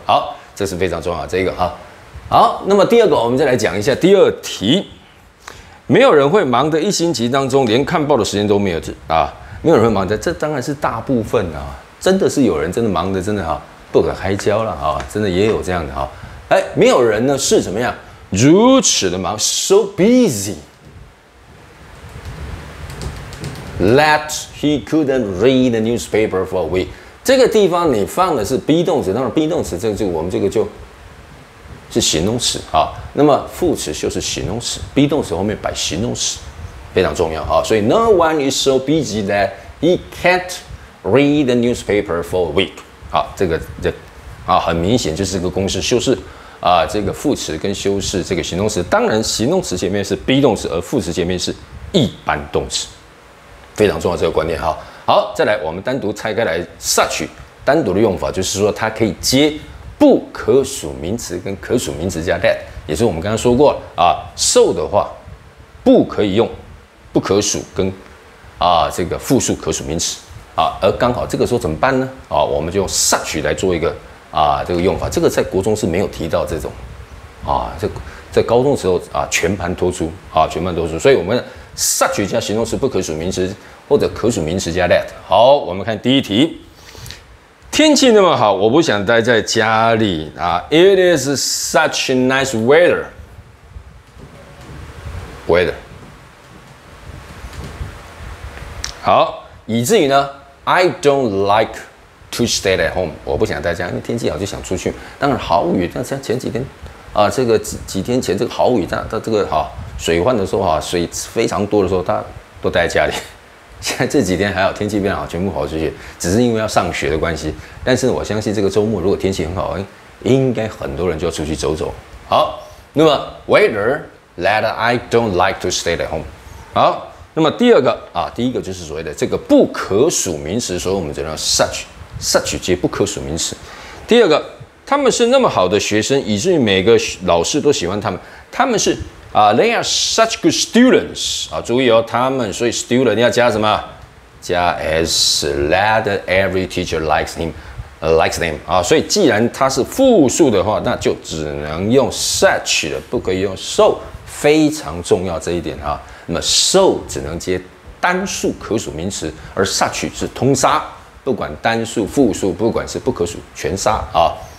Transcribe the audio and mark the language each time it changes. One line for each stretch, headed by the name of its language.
Chinese: 好，这是非常重要这个啊。好，那么第二个我们再来讲一下第二题，没有人会忙的一星期当中连看报的时间都没有啊，没有人会忙的，这当然是大部分啊，真的是有人真的忙的真的啊不可开交了啊，真的也有这样的啊。哎，没有人呢是怎么样如此的忙
English: ，so busy that he couldn't read the newspaper for a week。
Chinese: 这个地方你放的是 be 动词，那么 be 动词这个我们这个就是形容词啊。那么副词就是形容词 ，be 动词后面摆形容词非常重要啊。所以
English: no one is so busy that he can't read the newspaper for a week。
Chinese: 好，这个这啊很明显就是个公式修饰。啊，这个副词跟修饰这个形容词，当然形容词前面是 be 动词，而副词前面是一般动词，非常重要这个观念哈。好，再来我们单独拆开来 such 单独的用法，就是说它可以接不可数名词跟可数名词加 that， 也是我们刚刚说过啊 ，so 的话不可以用不可数跟啊这个复数可数名词啊，而刚好这个时候怎么办呢？啊，我们就用 such 来做一个。啊，这个用法，这个在国中是没有提到这种，啊，在高中的时候啊，全盘托出啊，全盘托出，所以我们 such 加形容词不可数名词，或者可数名词加 that。好，我们看第一题，天气那么好，我不想待在家里啊。
English: It is such nice weather. Weather.
Chinese: 好，以至于呢
English: ，I don't like. To stay at home，
Chinese: 我不想在家，因为天气好就想出去。当然豪雨，但像前几天，啊，这个几天前这个豪雨，这个哈、啊、水患的时候啊，水非常多的时候，大家都待在家里。现在这几天还好，天气变好，全部跑出去，只是因为要上学的关系。但是我相信这个周末如果天气很好，应该很多人就要出去走走。好，那么
English: weather that I don't like to stay at home。
Chinese: 好，那么第二个啊，第一个就是所谓的这个不可数名词，所以我们只能 such。 Such 接不可数名词。第二个，他们是那么好的学生，以至于每个老师都喜欢他们。他们是啊、，
English: they are such good students
Chinese: 啊，注意哦，他们所以 student 要加什么？
English: 加 s that every teacher likes him likes them 啊。
Chinese: 所以既然他是复数的话，那就只能用 such 的，不可以用 so。非常重要这一点啊。那么 so 只能接单数可数名词，而 such 是通杀。不管单数、复数，不管是不可数，全杀啊！